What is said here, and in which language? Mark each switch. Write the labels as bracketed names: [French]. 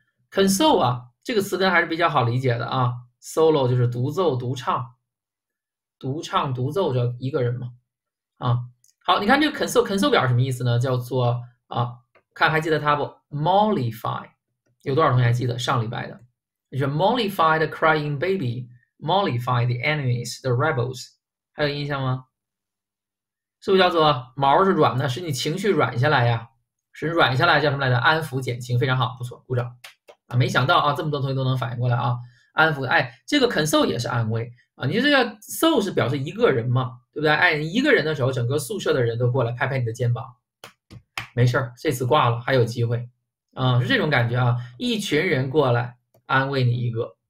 [Chinese] console 啊，这个词根还是比较好理解的啊。solo 就是独奏、独唱、独唱、独奏着一个人嘛。啊，好，你看这个 console 表什么意思呢？叫做啊，看还记得它不？mollify，有多少同学还记得上礼拜的？就是 [English] mollify the crying baby。 Mollify the enemies, the rebels， [Chinese] 还有印象吗？是不是叫做毛是软的，使你情绪软下来呀？使软下来叫什么来着？安抚、减轻，非常好，不错，鼓掌啊！没想到啊，这么多同学都能反应过来啊！安抚，哎，这个 console 也是安慰啊。你这个 so 是表示一个人嘛，对不对？哎，一个人的时候，整个宿舍的人都过来拍拍你的肩膀，没事儿，这次挂了还有机会啊，是这种感觉啊，一群人过来安慰你一个。